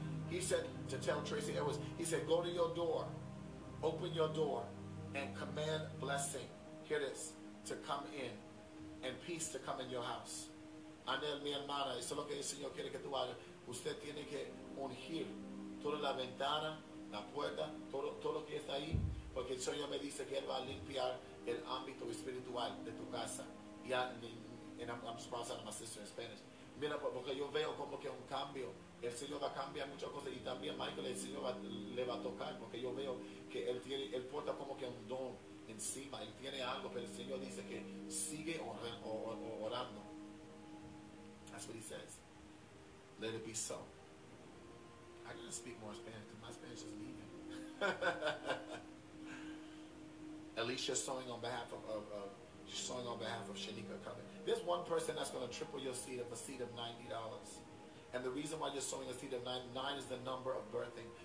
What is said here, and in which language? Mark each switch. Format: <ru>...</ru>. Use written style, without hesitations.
<en>He said to tell Tracy Edwards, he said, go to your door, open your door, and command blessing. Hear this, to come in, and peace to come in your house.</en> <es>Anel, mi hermana, eso es lo que el Señor quiere que tú hagas. Usted tiene que ungir toda la ventana, la puerta, todo lo que está ahí, porque el Señor me dice que Él va a limpiar el ámbito espiritual de tu casa.</es> <en>And I'm surprised at my sister in Spanish.</en> <es>Mira, porque yo veo como que un cambio. El Señor va a cambiar muchas cosas. Y también, Michael, el Señor le va a tocar, porque yo veo que Él porta como que un don encima. Él tiene algo, pero el Señor dice que sigue orando.</es> <en>That's what he says. Let it be so. I gotta speak more Spanish because my Spanish is leaving. Alicia's sewing on behalf of Shanika coming. There's one person that's gonna triple your seed of a seed of $90. And the reason why you're sowing a seed of nine is the number of birthing.</en>